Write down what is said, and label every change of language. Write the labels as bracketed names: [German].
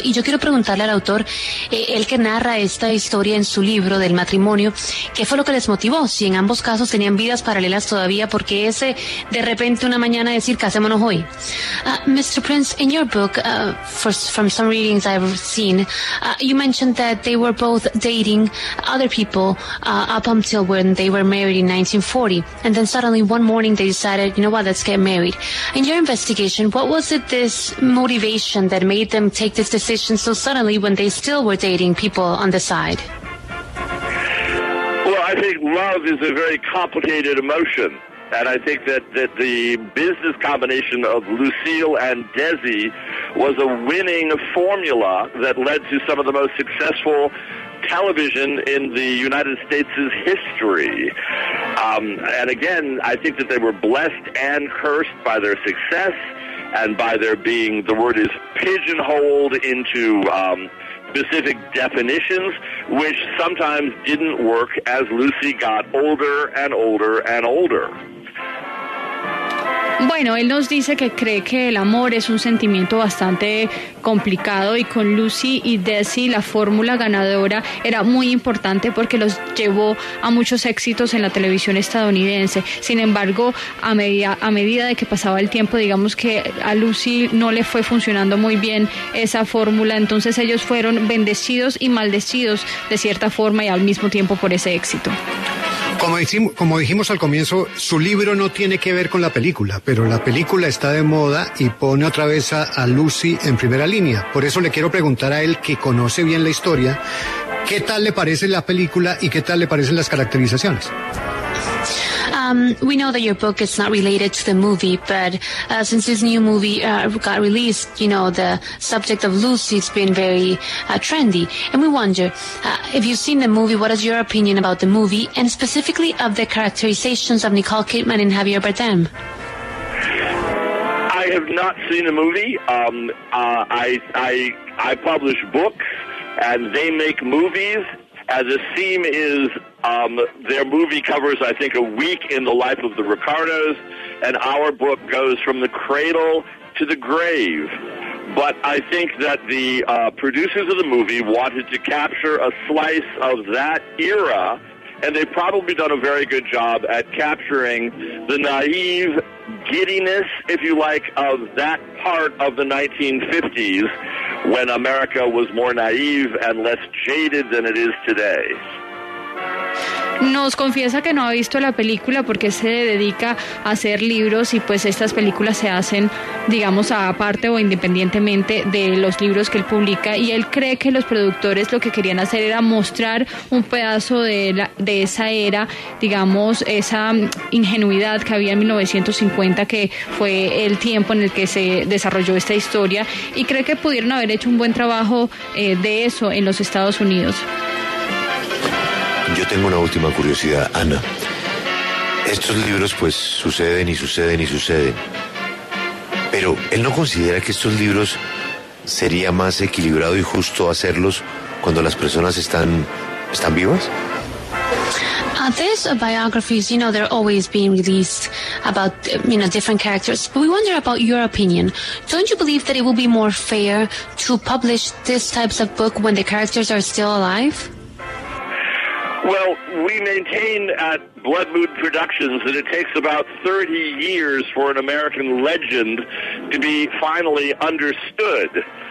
[Spanish] Y yo quiero preguntarle al autor, el que narra esta historia en su libro del matrimonio, ¿qué fue lo que les motivó? Si en ambos casos tenían vidas paralelas todavía, ¿por qué ese de repente una mañana decir, casémonos hoy? [English] Mr. Prince, in your book, from some readings I've seen, you mentioned that they were both dating other people up until when they were married in 1940, and then suddenly one morning they decided, you know what, let's get married. In your investigation, what was it, this motivation that made them take this decision so suddenly when they still were dating people on the side? Well, I think love is a very complicated emotion, and I think that the business combination of Lucille and Desi was a winning formula that led to some of the most successful television in the United States' history. And again, I think that they were blessed and cursed by their success and by their being, the word is, pigeonholed into specific definitions, which sometimes didn't work as Lucy got older and older and older. [Spanish] Bueno, él nos dice que cree que el amor es un sentimiento bastante complicado y con Lucy y Desi la fórmula ganadora era muy importante porque los llevó a muchos éxitos en la televisión estadounidense. Sin embargo, a medida de que pasaba el tiempo, digamos que a Lucy no le fue funcionando muy bien esa fórmula, entonces ellos fueron bendecidos y maldecidos de cierta forma y al mismo tiempo por ese éxito. Como dijimos al comienzo, su libro no tiene que ver con la película, pero la película está de moda y pone otra vez a Lucy en primera línea. Por eso le quiero preguntar a él, que conoce bien la historia, ¿qué tal le parece la película y qué tal le parecen las caracterizaciones? [English] We know that your book is not related to the movie, but since this new movie got released, you know, the subject of Lucy has been very trendy. And we wonder, if you've seen the movie, what is your opinion about the movie, and specifically of the characterizations of Nicole Kidman and Javier Bardem? I have not seen a movie. I publish books, and they make movies. And the theme is their movie covers, I think, a week in the life of the Ricardos, and our book goes from the cradle to the grave. But I think that the producers of the movie wanted to capture a slice of that era, and they've probably done a very good job at capturing the naive giddiness, if you like, of that part of the 1950s when America was more naive and less jaded than it is today. [Spanish] Nos confiesa que no ha visto la película porque se dedica a hacer libros y pues estas películas se hacen, digamos, aparte o independientemente de los libros que él publica, y él cree que los productores lo que querían hacer era mostrar un pedazo de esa era, digamos, esa ingenuidad que había en 1950, que fue el tiempo en el que se desarrolló esta historia, y cree que pudieron haber hecho un buen trabajo de eso en los Estados Unidos. Yo tengo una última curiosidad, Ana. Estos libros, pues, suceden y suceden y suceden. Pero, ¿él no considera que estos libros sería más equilibrado y justo hacerlos cuando las personas están vivas? [English] These biographies, you know, they're always being released about, you know, different characters. But we wonder about your opinion. Don't you believe that it will be more fair to publish this types of book when the characters are still alive? Well, we maintain at Blood Moon Productions that it takes about 30 years for an American legend to be finally understood.